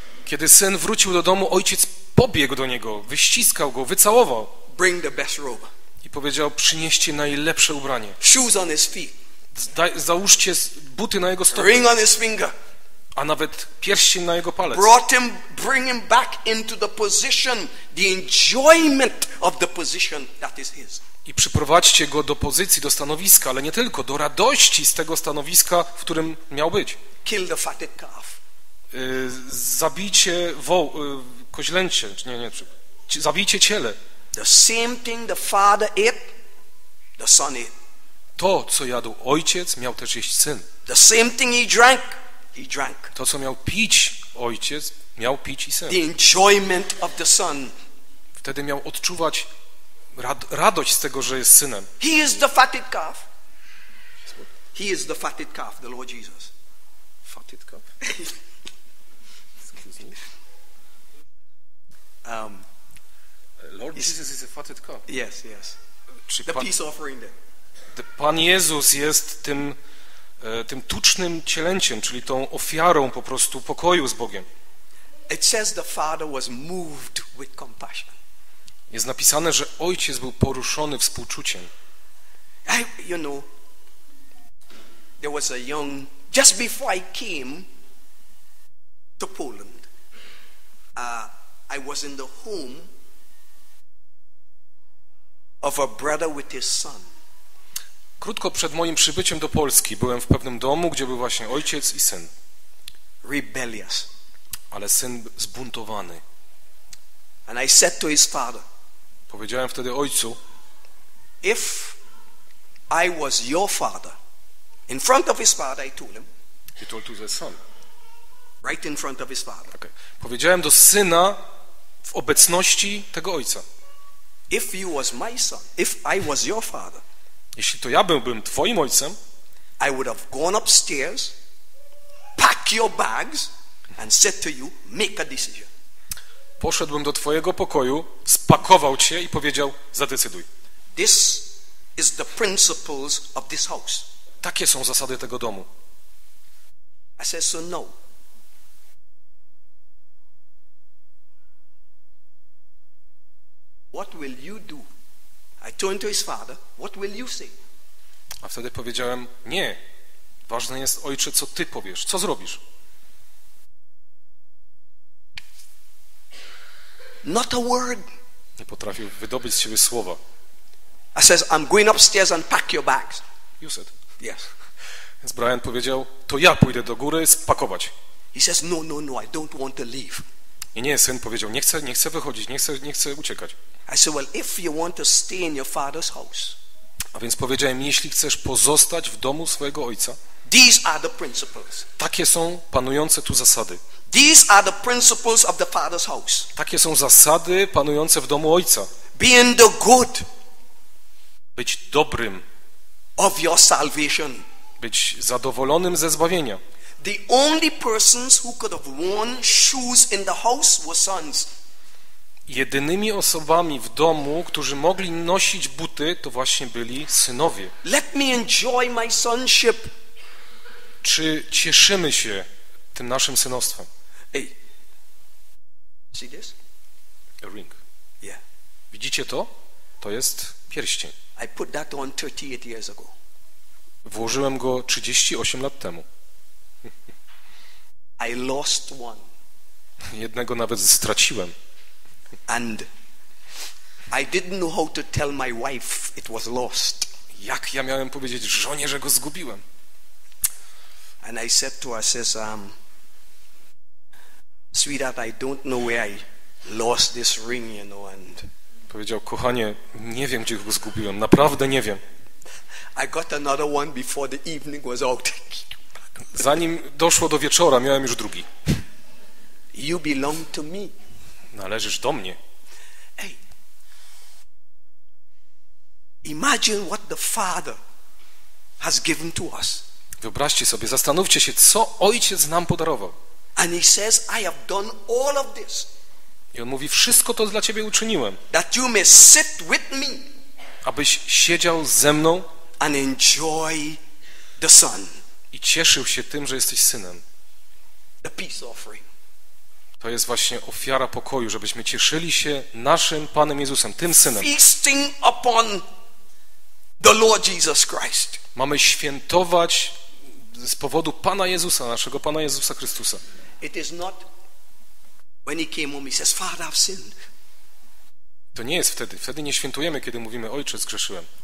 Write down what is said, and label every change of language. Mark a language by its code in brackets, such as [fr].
[pl] Kiedy syn wrócił do domu, ojciec pobiegł do niego, wyściskał go, wycałował. [en] Bring the best robe. [pl] I powiedział, przynieście najlepsze ubranie. [en] Shoes on his feet. [pl] Załóżcie buty na jego stopie. [en] Ring on his finger. [pl] A nawet pierścień na jego palec. [en] Brought him, bring him back into the position, the enjoyment of the position that is his. [pl] i przyprowadźcie go do pozycji, do stanowiska, ale nie tylko, do radości z tego stanowiska, w którym miał być. [en] Kill the fatted calf. [pl] Zabijcie koźlęcie, zabijcie ciele. [en] The same thing the father ate, the son ate. [pl] To, co jadł ojciec, miał też jeść syn. [en] The same thing he drank. [pl] To, co miał pić ojciec, miał pić i syn. [en] The enjoyment of the son. [pl] Wtedy miał odczuwać radość z tego, że jest synem. [en] He is the fatted calf. He is the fatted calf, the Lord Jesus. Fatted calf? Excuse me. Lord Jesus is a fatted calf. Yes, yes. The peace offering there. [pl] Pan Jezus jest tym tucznym cielęciem, czyli tą ofiarą po prostu pokoju z Bogiem. [en] It says the father was moved with compassion. [pl] Jest napisane, że ojciec był poruszony współczuciem. [en] You know, there was a young, just before I came to Poland, I was in the home of a brother with his son. [pl] Krótko przed moim przybyciem do Polski byłem w pewnym domu, gdzie był właśnie ojciec i syn. [en] Rebellious. [pl] Ale syn zbuntowany. [en] And I said to his father, [pl] powiedziałem wtedy ojcu, [en] if I was your father, in front of his father, I told him. He told to the son. Right in front of his father. Okay. [pl] Powiedziałem do syna w obecności tego ojca. [en] If you was my son, if I was your father, [pl] jeśli to ja byłbym twoim ojcem, [en] I would have gone upstairs, pack your bags and said to you, make a decision. [pl] Poszedłbym do twojego pokoju, spakował cię i powiedział, zadecyduj. [en] This is the principles of this house. [pl] Takie są zasady tego domu. [en] I said, so no. What will you do? I turned to his father. What will you say? [pl] A wtedy powiedziałem, nie. Ważne jest, ojcze, co ty powiesz. Co zrobisz? [en] Not a word. [pl] Nie potrafił wydobyć z siebie słowa. [en] I says, I'm going upstairs and pack your bags. You said. Yes. [pl] Więc Brian powiedział, to ja pójdę do góry spakować. [en] He says, no, no, no, I don't want to leave. [pl] I nie, syn powiedział, nie chcę wychodzić, nie chcę uciekać. [en] I said, well, if you want to stay in your father's house. [pl] A więc powiedziałem, jeśli chcesz pozostać w domu swojego ojca. [en] These are the principles. [pl] Takie są panujące tu zasady. [en] These are the principles of the father's house. [pl] Takie są zasady panujące w domu ojca. [en] Being the good. [pl] Być dobrym. [en] Of your salvation. [pl] Być zadowolonym ze zbawienia. [en] The only persons who could have worn shoes in the house were sons. [pl] Jedynymi osobami w domu, którzy mogli nosić buty, to właśnie byli synowie. [en] Let me enjoy my sonship. [pl] Czy cieszymy się tym naszym synostwem? [en] Hey. See this? A ring. Yeah. [pl] Widzicie to? To jest pierścień. [en] I put that on 38 years ago. [pl] Włożyłem go 38 lat temu. [en] I lost one. [pl] Jednego nawet straciłem. [en] And I didn't know how to tell my wife it was lost. [pl] Jak ja miałem powiedzieć żonie, że go zgubiłem? [en] And I said to her, says, sweetheart, I don't know where I lost this ring, you know. And [pl] powiedział, kochanie, nie wiem, gdzie go zgubiłem. Naprawdę nie wiem. [en] I got another one before the evening was out. [pl] Zanim doszło do wieczora, miałem już drugi. [en] You belong to me. [pl] Należysz do mnie. [en] Hey. Imagine what the father has given to us. [pl] Wyobraźcie sobie, zastanówcie się, co ojciec nam podarował. [en] And he says, I have done all of this. [pl] I on mówi, wszystko to dla ciebie uczyniłem. [en] That you may sit with me. [pl] Abyś siedział ze mną. [en] And enjoy the son. [pl] I cieszył się tym, że jesteś synem. [en] The peace offering. [pl] To jest właśnie ofiara pokoju, żebyśmy cieszyli się naszym Panem Jezusem, tym Synem. [en] Feasting upon the Lord Jesus Christ. [pl] Mamy świętować z powodu Pana Jezusa, naszego Pana Jezusa Chrystusa. [en] It is not when he came home, he says, Father, I've sinned. [pl] To nie jest wtedy. Wtedy nie świętujemy, kiedy mówimy: Ojcze, zgrzeszyłem.